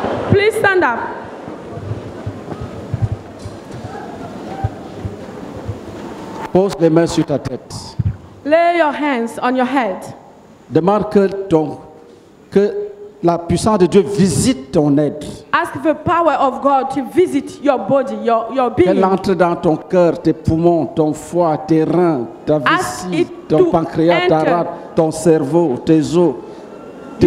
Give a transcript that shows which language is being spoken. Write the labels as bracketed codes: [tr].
[en] Please stand up. [fr] Pose les mains sur ta tête. [en] Lay your hands on your head. [fr] Demande que ton que la puissance de Dieu visite ton être. [en] Ask the power of God to visit your body, your being. [fr] Qu'elle entre dans ton cœur, tes poumons, ton foie, tes reins, ta vessie, ton pancréas, ta rate, ton cerveau, tes os, tes